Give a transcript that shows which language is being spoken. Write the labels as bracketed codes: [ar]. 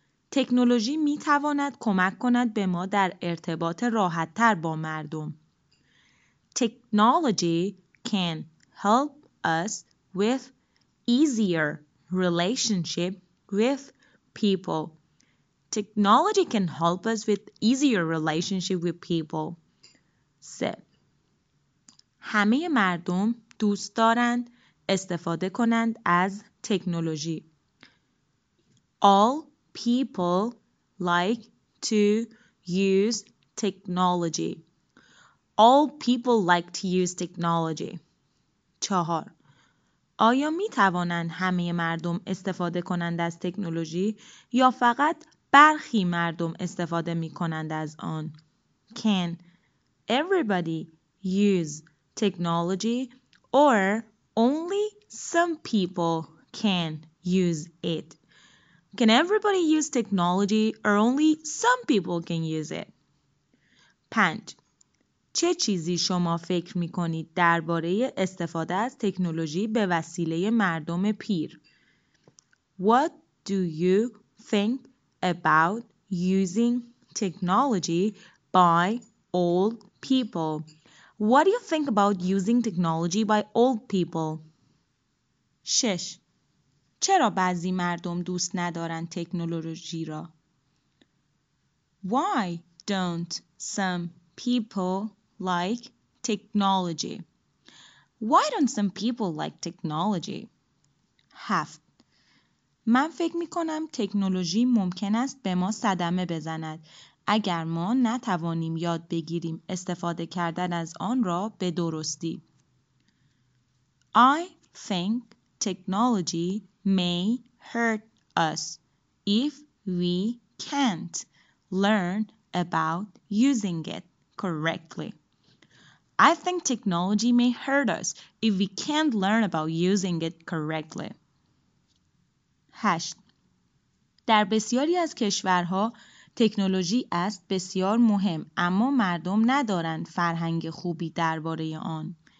[fa] تکنولوژی می تواند کمک کند به ما در ارتباط راحت تر با مردم. [en] Technology can help us with easier relationship with people. Technology can help us with easier relationship with people. 3. [fa] همه مردم دوست دارند استفاده کنند از تکنولوژی. [en] All people like to use technology. All people like to use technology. 4. [fa] آیا می توانند همه مردم استفاده کنند از تکنولوژی یا فقط برخی مردم استفاده می کنند از آن؟ [en] Can everybody use technology or only some people can use it? Can everybody use technology or only some people can use it? 5. [fa] چه چیزی شما فکر می کنید درباره استفاده از تکنولوژی به وسیله مردم پیر؟ [en] What do you think about using technology by old people? What do you think about using technology by old people? 6. [fa] چرا بعضی مردم دوست ندارن تکنولوژی را؟ [en] Why don't some people like technology? Why don't some people like technology? 7. [fa] من فکر می‌کنم تکنولوژی ممکن است به ما صدمه بزند اگر ما نتوانیم یاد بگیریم استفاده کردن از آن را به درستی. [en] I think technology may hurt us if we can't learn about using it correctly. I think technology may hurt us if we can't learn about using it correctly. 8. [fa] در بسیاری از کشورها تکنولوژی است بسیار مهم اما مردم ندارند فرهنگ خوبی درباره آن.